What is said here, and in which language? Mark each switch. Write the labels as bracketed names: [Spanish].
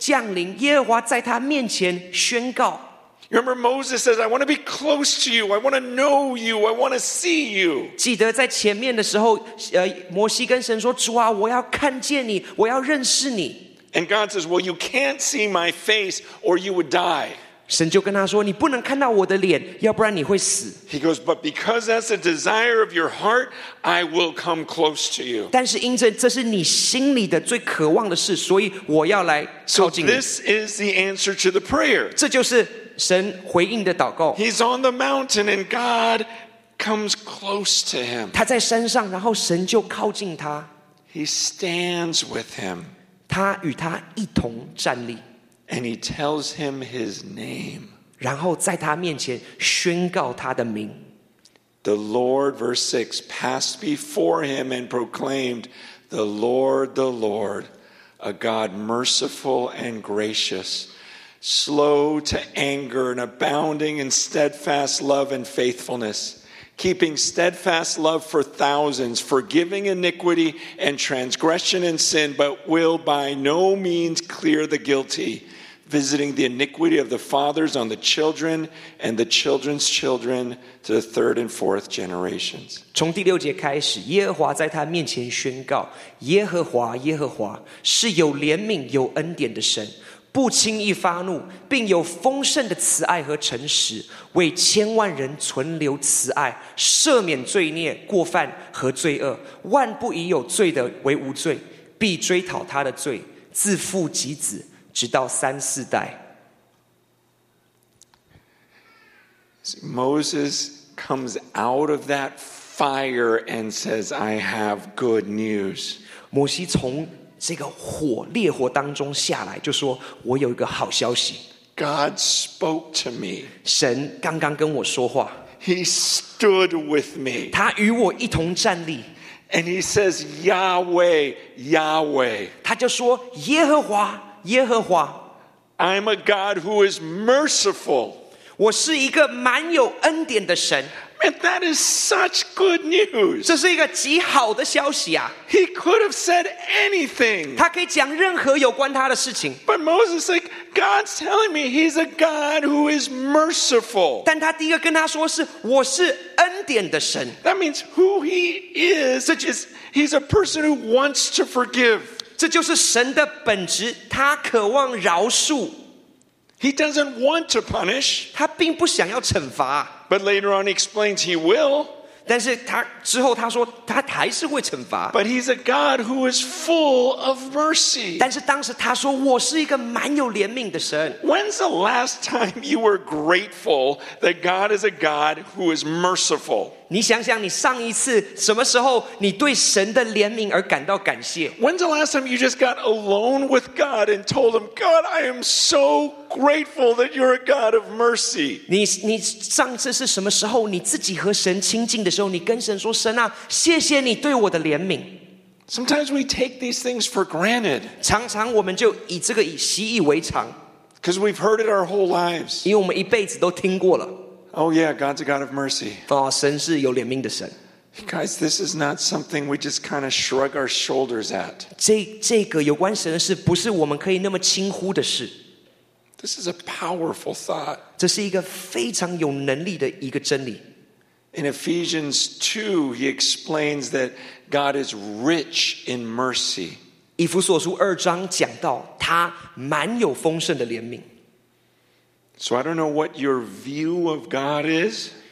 [Chinese] 在这34章这个经文当中，他说耶和华在云中降临，耶和华在他面前宣告。 [English] Remember Moses says, I want to be close to you, I want to know you, I want to see you. [Chinese] 记得在前面的时候，摩西跟神说，主啊，我要看见你，我要认识你。 [English] And God says, well, you can't see my face or you would die. [Chinese] 神就跟他说，你不能看到我的脸，要不然你会死。 [English] He goes, but because that's a desire of your heart, I will come close to you. [Chinese] 但是因着这是你心里的最渴望的事，所以我要来靠近你。 [English] So this is the answer to the prayer. [Chinese] 这就是 神回应的祷告。 [English] He's on the mountain and God comes close to him. [Chinese] 他在山上，然后神就靠近他。 [English] He stands with him. [Chinese] 他与他一同站立。 [English] And he tells him his name. [Chinese] 然后在他面前宣告他的名。 [English] The Lord, verse 6, passed before him and proclaimed, the Lord, a God merciful and gracious, slow to anger and abounding in steadfast love and faithfulness, keeping steadfast love for thousands, forgiving iniquity and transgression and sin, but will by no means clear the guilty, visiting the iniquity of the fathers on the children and the children's children to the third and fourth generations. [Chinese] 从第六节开始，耶和华在他面前宣告：耶和华，耶和华，是有怜悯有恩典的神，不轻易发怒，并有丰盛的慈爱和诚实，为千万人存留慈爱，赦免罪孽、过犯和罪恶，万不以有罪的为无罪，必追讨他的罪，自父及子，直到三四代。 [English] See, Moses comes out of that fire and says, I have good news. [Chinese] 摩西从这个火烈火当中下来，就说我有一个好消息。 [English] God spoke to me. [Chinese] 神刚刚跟我说话。 [English] He stood with me. [Chinese] 他与我一同站立。 [English] And he says, Yahweh, Yahweh. [Chinese] 他就说耶和华，耶和华。 [English] I'm a God who is merciful. [Chinese] 我是一个满有恩典的神。 [English] Man, that is such good news. [Chinese] 这是一个极好的消息啊。 [English] He could have said anything. [Chinese] 他可以讲任何有关他的事情。 [English] But Moses is like, God's telling me he's a God who is merciful. [Chinese] 但他第一个跟他说是，我是恩典的神。 [English] That means who he is, such as he's a person who wants to forgive. [Chinese] 这就是神的本质，他渴望饶恕。 [English] He doesn't want to punish. [Chinese] 他并不想要惩罚。 [English] But later on he explains he will. [Chinese] 但是他之后他说他还是会惩罚。 [English] But he's a God who is full of mercy. [Chinese] 但是当时他说我是一个蛮有怜悯的神。 [English] When's the last time you were grateful that God is a God who is merciful? [Chinese] 你想想你上一次什么时候你对神的怜悯而感到感谢。 [English] When's the last time you just got alone with God and told him, God, I am so grateful that you're a God of mercy. [Chinese] 你上次是什么时候你自己和神亲近的时候你跟神说神啊谢谢你对我的怜悯。 [English] Sometimes we take these things for granted. [Chinese] 常常我们就以这个习以为常。 [English] Because we've heard it our whole lives. [Chinese] 因为我们一辈子都听过了。 [English] Oh yeah, God's a God of mercy. [Chinese] 哦，神是有怜悯的神。 [English] Guys, this is not something we just kind of shrug our shoulders at. [Chinese] 这个有关神的事，不是我们可以那么轻忽的事。 [English] This is a powerful thought. [Chinese] 这是一个非常有能力的一个真理。 [English] In Ephesians 2, he explains that God is rich in mercy. [Chinese] 以弗所书二章讲到，他满有丰盛的怜悯。 [English] So I don't know what your view of God is.